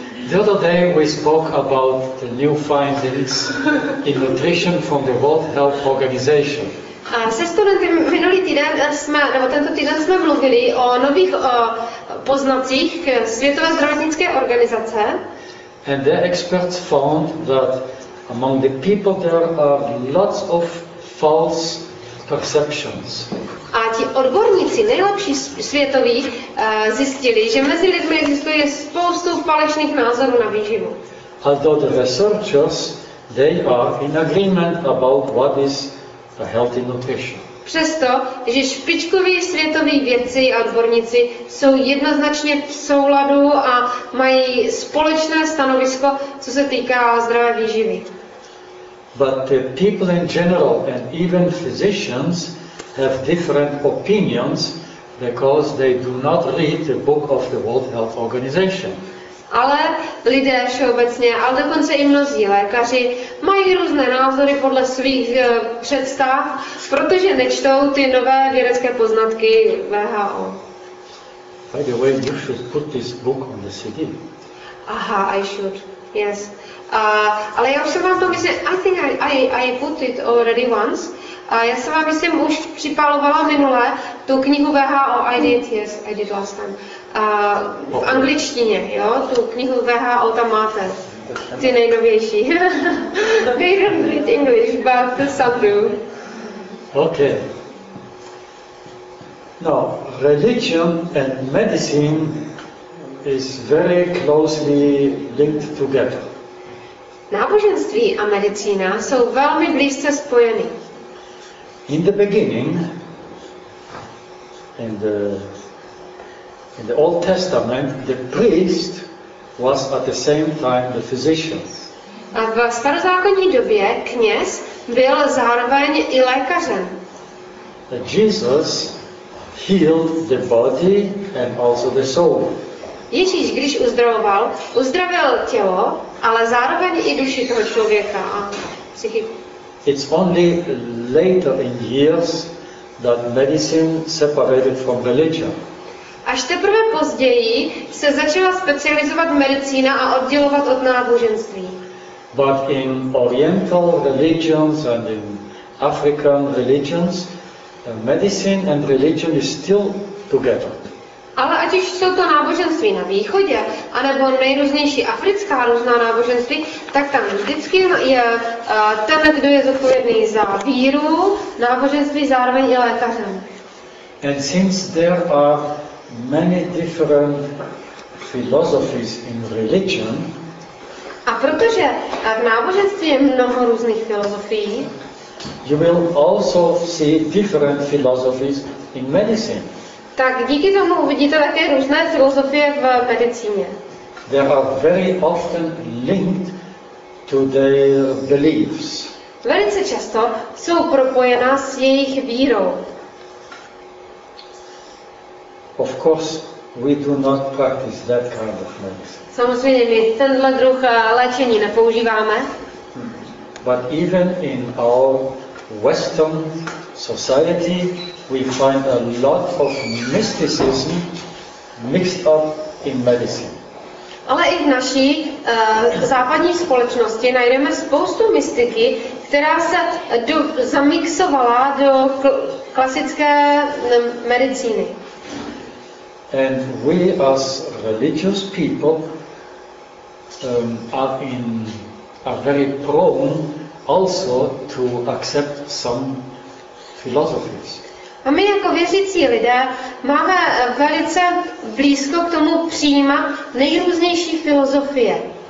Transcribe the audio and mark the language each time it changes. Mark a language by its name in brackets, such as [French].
[English] The other day we spoke about the new findings in nutrition from the World Health Organization. [Czech] A se studenty minulý týden jsme, nebo tento týden jsme mluvili o nových poznacích Světové zdravotnické organizace. [English] And their experts found that among the people there are lots of false perceptions. [Czech] A ti odborníci, nejlepší světoví, zjistili, že mezi lidmi existuje spoustu falešných názorů na výživu. [English] Although the researchers, they are in agreement about what is a healthy nutrition. [Czech] Přesto, že špičkoví světoví vědci a odborníci jsou jednoznačně v souladu a mají společné stanovisko, co se týká zdravé výživy. [English] But the people in general and even physicians have different opinions because they do not read the book of the World Health Organization. [Czech] Ale lidé všeobecně, ale dokonce i mnozí lékaři mají různé názory podle svých představ, protože nečtou ty nové vědecké poznatky WHO. [English] By the way, you should put this book on the CD. Aha, I should. Yes. [Czech] Ale já už jsem vám to myslím, [English] I think I put it already once. [Czech] A já jsem vám, myslím, už připalovala minule tu knihu WHO [English] I did, yes, I did last time. [Czech] V angličtině, jo, tu knihu WHO tam máte. Ty nejnovější. [English] They don't read English, but some do. Okay. No, religion and medicine is very closely linked together. [Czech] Náboženství a medicína jsou velmi blízce spojeny. [English] In the beginning, in the Old Testament, the priest was at the same time the physician. [Czech] A v starozákonní době kněz byl zároveň i lékařem. [English] Jesus healed the body and also the soul. [Czech] Ježíš, když uzdravoval, uzdravil tělo, ale zároveň i duši toho člověka a psychiku. [English] It's only later in years that medicine separated from religion. [Czech] Až teprve později se začala specializovat medicína a oddělovat od náboženství. [English] But in oriental religions and in African religions, medicine and religion is still together. [Czech] Ale ať už jsou to náboženství na východě, anebo nejrůznější africká různá náboženství, tak tam vždycky je ten, kdo je zodpovědný za víru, náboženství, zároveň i lékařem. [English] And since there are many different philosophies in religion. [Czech] A protože v náboženství je mnoho různých filozofií, [English] you will also see different philosophies in medicine. [Czech] Tak díky tomu uvidíte také různé filozofie v medicíně. [English] They are very often linked to their beliefs. [Czech] Velice často jsou propojená s jejich vírou. [English] Of course, we do not practice that kind of medicine. [Czech] Samozřejmě my tenhle druh léčení nepoužíváme. [English] But even in our Western society, we find a lot of mysticism mixed up in medicine. [Czech] Ale i v naší západní společnosti najdeme spoustu mystiky, která se zamixovala do klasické medicíny. [English] And we as religious people are very prone also to accept some philosophies. [Czech] A my jako věřící lidé máme velice blízko k tomu přijímat nejrůznější filozofie.